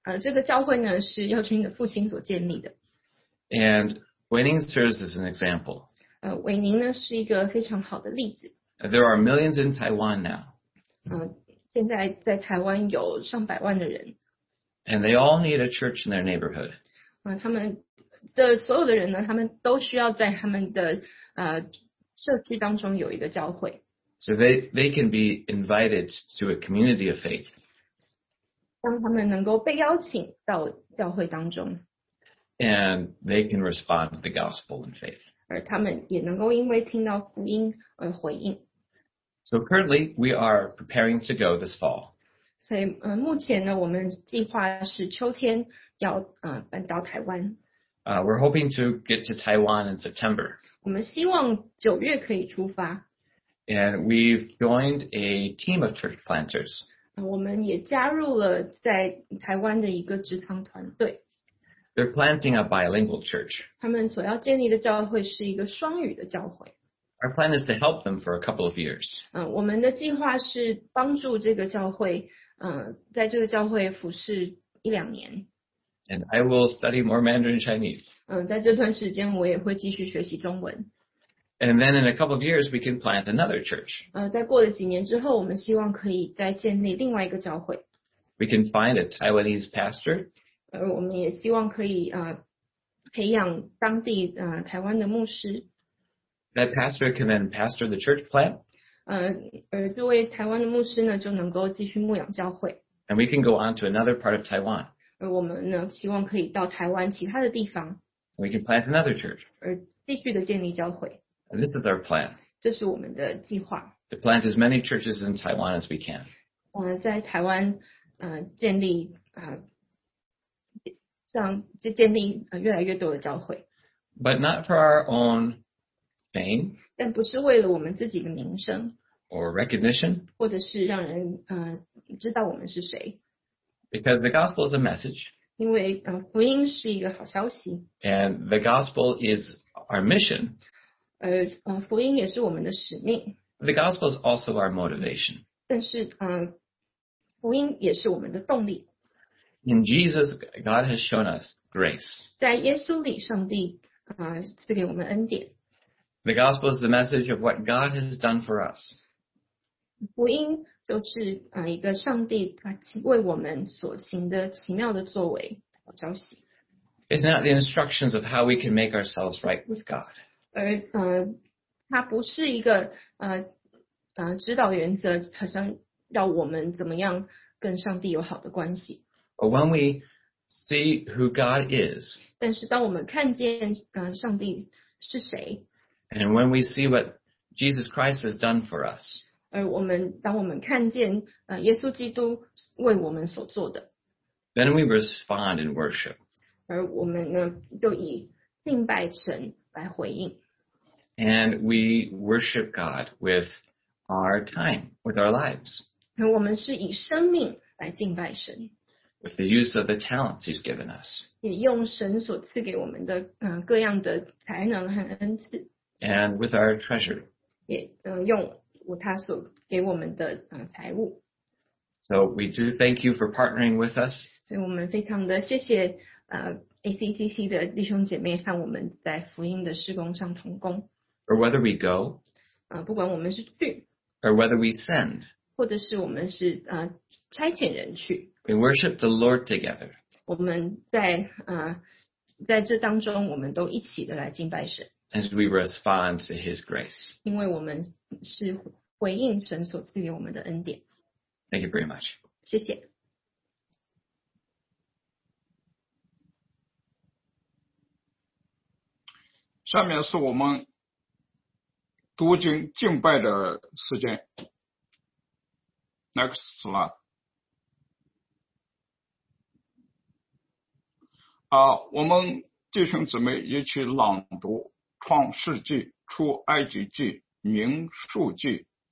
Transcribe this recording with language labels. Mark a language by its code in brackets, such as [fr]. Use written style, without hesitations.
[zh] 这个教会呢是耀君的父亲所建立的。 [en] And Wei Ning serves as an example. [zh] 韦宁呢是一个非常好的例子。 [en] There are millions in Taiwan now. [zh] 现在在台湾有上百万的人。 [en] And they all need a church in their neighborhood. [zh] 他们的所有的人呢，他们都需要在他们的社区当中有一个教会。 [en] So they can be invited to a community of faith. [zh] 让他们能够被邀请到教会当中。 [en] And they can respond to the gospel in faith. [zh] 而他们也能够因为听到福音而回应。 [en] So currently, we are preparing to go this fall. [zh] 所以目前呢，我们计划是秋天要搬到台湾。 [en] We're hoping to get to Taiwan in September. [zh] 我们希望九月可以出发。 [en] And we've joined a team of church planters. [zh] 我们也加入了在台湾的一个职堂团队。 [en] They're planting a bilingual church. [zh] 他们所要建立的教会是一个双语的教会。 [en] Our plan is to help them for a couple of years. [zh] 我们的计划是帮助这个教会，在这个教会服侍一两年。 [en] And I will study more Mandarin Chinese. [zh] 在这段时间我也会继续学习中文。 [en] And then in a couple of years, we can plant another church. [zh] 在过了几年之后，我们希望可以再建立另外一个教会。 [en] We can find a Taiwanese pastor. [zh] 我们也希望可以培养当地台湾的牧师。 [en] That pastor can then pastor the church plant. [zh] 这位台湾的牧师呢，就能够继续牧养教会。 [en] And we can go on to another part of Taiwan. [zh] 而我们呢，希望可以到台湾其他的地方。 [en] We can plant another church. [zh] 而继续的建立教会。 [en] And this is our plan. [zh] 这是我们的计划。 [en] To plant as many churches in Taiwan as we can. [zh] 在台湾建立像就建立越来越多的教会。 [en] But not for our own fame. [zh] 但不是为了我们自己的名声。 [en] Or recognition. [zh] 或者是让人知道我们是谁。 [en] Because the gospel is a message. [zh] 因为福音是一个好消息。 [en] And the gospel is our mission. [zh] 福音也是我们的使命。 [en] The gospel is also our motivation. [zh] 但是福音也是我们的动力。 [en] In Jesus, God has shown us grace. [zh] 在耶稣里，上帝赐给我们恩典。 [en] The gospel is the message of what God has done for us. [zh] 福音就是一个上帝为我们所行的奇妙的作为的消息。 [en] It's not the instructions of how we can make ourselves right with God. [zh] 而它不是一个指导原则，好像让我们怎么样跟上帝有好的关系。 [en] But when we see who God is, [zh] 但是当我们看见上帝是谁， [en] and when we see what Jesus Christ has done for us, [zh] 而我们当我们看见耶稣基督为我们所做的， [en] then we respond in worship. [zh] 而我们呢，就以敬拜神来回应。 [en] And we worship God with our time, with our lives. [zh] 而我们是以生命来敬拜神。 [en] With the use of the talents He's given us. [zh] 也用神所赐给我们的各样的才能和恩赐。 [en] And with our treasure. [zh] 也用他所给我们的财物。 [en] So we do thank you for partnering with us. [zh] 所以我们非常的谢谢ACCC 的弟兄姐妹和我们在福音的事工上同工。 [en] Or whether we go, [zh] 不管我们是去， [en] or whether we send, [zh] 或者是我们是差遣人去， [en] we worship the Lord together. [zh] 我们在这当中，我们都一起的来敬拜神。 [en] As we respond to His grace, [zh] 因为我们是回应神所赐给我们的恩典。 [en] Thank you very much. [zh] 谢谢。下面是我们。读经敬拜的时间 [en] Next slide [zh] 我们弟兄姊妹一起朗读创世纪出埃及记民数记